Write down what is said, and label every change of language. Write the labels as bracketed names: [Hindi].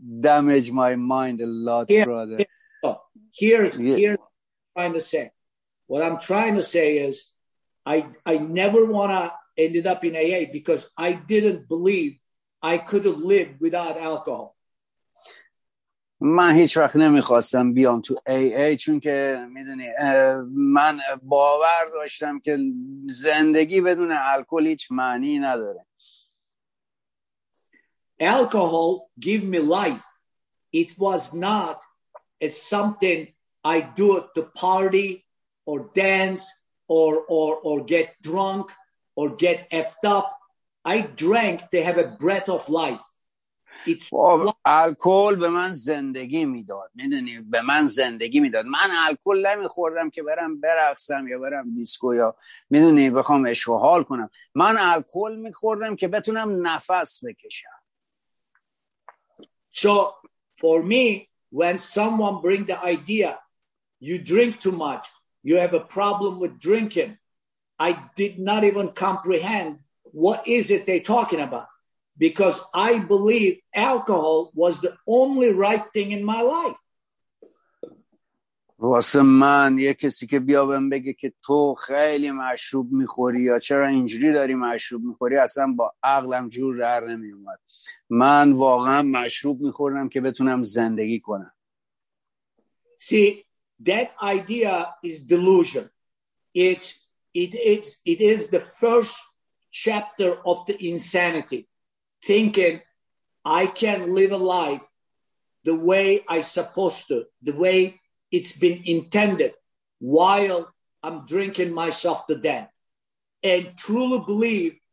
[English] Damage my mind a lot, yeah, brother. Yeah. Here's what I'm trying to say. What I'm trying to say is I never want to end up in AA because I didn't believe I could live without alcohol. [Persian] من هیچ وقت نمیخواستم بیام تو AA چون که میدونی من باور داشتم که زندگی بدون الکل هیچ معنی نداره. [English] Alcohol gave me life. It was not as something I do it to party or dance or get drunk or get effed up. I drank to have a breath of life. [Persian] الکل به من زندگی میداد، میدونی به من زندگی میداد. من الکل نمیخوردم که برم برقصم یا برم دیسکو یا میدونی بخوام عشق و حال کنم. من الکل میخوردم که بتونم نفس بکشم. [English] So for me when someone bring the idea you drink too much, you have a problem with drinking, I did not even comprehend what is it they talking about. Because I believe alcohol was the only right thing in my life. [Persian] واسه من یه کسی که بیا بهم بگه که تو خیلی مشروب میخوری یا چرا اینجوری داری مشروب میخوری اصلا با عقلم جور در نمیومد. من واقعا مشروب میخوردم که بتونم زندگی کنم. [English] See, that idea is delusion. It is the first chapter of the insanity. Thinking I can live a life the way I supposed to, the way it's been intended, while I'm drinking myself to death, and truly believe